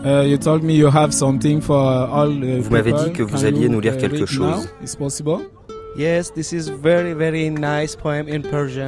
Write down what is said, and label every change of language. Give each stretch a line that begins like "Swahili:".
English: You told me you have something for all the
French: people. Vous m'avez dit que vous alliez nous lire quelque chose.
English: Is possible? Yes, this is very very nice poem in Persian.